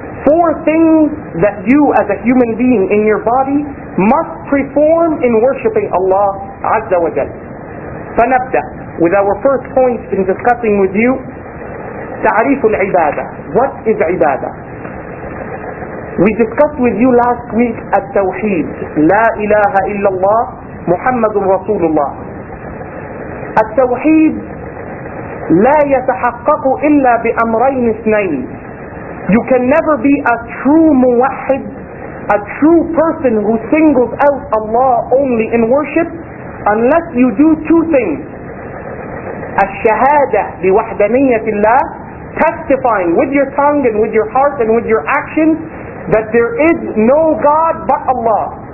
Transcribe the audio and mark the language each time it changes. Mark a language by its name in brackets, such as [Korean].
[English] Four things that you as a human being in your body must perform in worshipping Allah Azza wa Jal. فَنَبْدَأ with our first point in discussing with you, [Arabic] تعريف العبادة. [English] What is عبادة? We discussed with you last week التوحيد. [Arabic] لا إله إلا الله محمد رسول الله. التوحيد لا يتحقق إلا بأمرين اثنين. [English] You can never be a true muwahid, a true person who singles out Allah only in worship, unless you do two things. [Arabic] الشهادة بوحدانية الله, [English] testifying with your tongue and with your heart and with your actions that there is no God but Allah.